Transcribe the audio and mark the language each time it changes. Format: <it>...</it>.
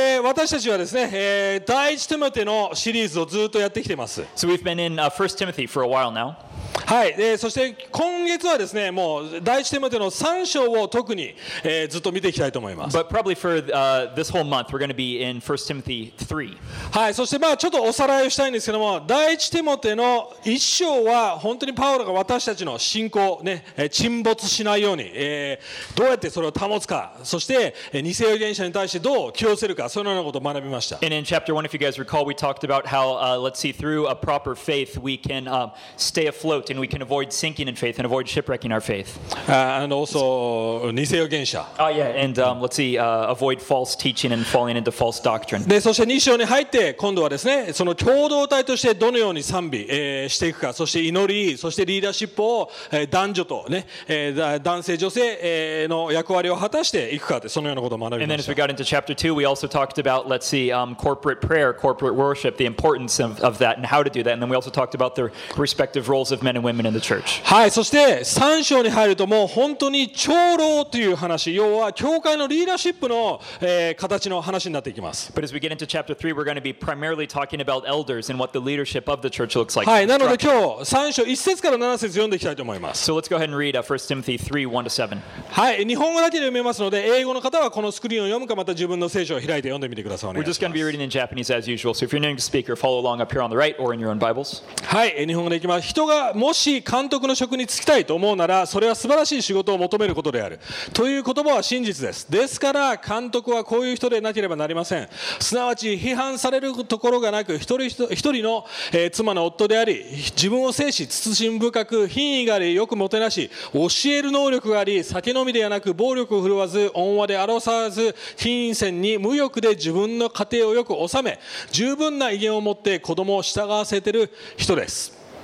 <ja>私たちはですね、第一テモテのシリーズをずっとやってきてます。</ja> <en>So we've been in First Timothy for a while now.</en> <ja>はい、そして今月はですね、もう第一テモテの三章を特に、ずっと見ていきたいと思います。</ja> <en>But probably for this whole month, we're going to be in First Timothy 3.</en> <ja>はい、そしてまあちょっとおさらいをしたいんですけども、第一テモテの一章は本当にパウロが私たちの信仰ね、沈没しないように、どうやってそれを保つか、そして偽預言者に対してどう気を</ja> <en>And in chapter 1, if you guys recall, we talked about how, let's see, through a proper faith, we can stay afloat and we can avoid sinking in faith and avoid shipwrecking our faith. And also, 偽預言者. Oh, yeah, and let's see, avoid false teaching and falling into false doctrine.</en> <ja>で、そして2章に入って、今度はですね、その共同体としてどのように賛美、していくか、そして祈り、そしてリーダーシップを、男女とね、男性、女性、の役割を果たしていくかって、そのようなことを学びました。</ja> <en>And then as we got into chapter 2, we also talked about, let's see, corporate prayer, corporate worship, the importance of that and how to do that. And then we also talked about the respective roles of men and women in the church.</en> <ja>はい、そして3章に入るともう本当に長老という話、要は教会のリーダーシップの、形の話になっていきます。</ja> <en>But as we get into chapter 3, we're going to be primarily talking about elders and what the leadership of the church looks like.</en> <ja>はい、なので今日3章1節から7節読んでいきたいと思います。</ja> <en>So let's go ahead and read 1 Timothy 3, 1 to 7.</en> <ja>はい、日本語だけで読めますので、英語の方はこのスクリーンを読むか、また自分の聖書を開いて読んでみてください。</ja> <en>We're just going to be reading in Japanese as usual. So if you're an English speaker, follow along up here on the right or in your own Bibles.</en> <ja>はい、日本語でいきます。人がもし監督の職に就きたいと思うなら、それは素晴らしい仕事を求めることである。という言葉は真実です。ですから、監督はこういう人でなければなりません。すなわち、批判されるところがなく、一人の、妻の夫であり、自分を制し、慎み深く、品位があり、よくもてなし、教える能力があり、酒飲みではなく、暴力を振るわず、温和で争わず、品位線に無欲で自分の家庭をよく収め、十分な威厳を持って子供を従わせている人です。</ja>